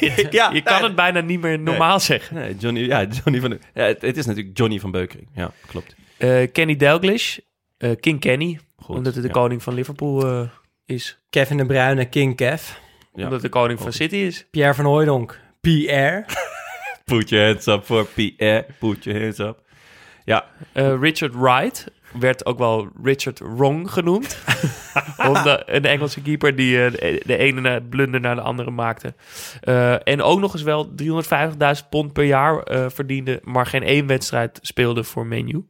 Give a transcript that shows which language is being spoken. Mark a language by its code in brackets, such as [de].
[nl] Je kan het bijna niet meer normaal zeggen. Nee, Johnny van de... Ja, het is natuurlijk Johnny van Beukering. Ja, klopt. Kenny Dalglish. King Kenny. Goed, omdat het de koning van Liverpool is. Kevin de Bruyne, King Kev. Ja. Omdat de koning van City is. Pierre van Hooijdonk, Pierre. [en] Put your hands up for Pierre, put your hands up. [nl] Ja. Richard Wright werd ook wel Richard Wrong genoemd. een Engelse keeper die de ene blunder naar de andere maakte. En ook nog eens wel 350.000 pond per jaar verdiende, maar geen één wedstrijd speelde voor Man U.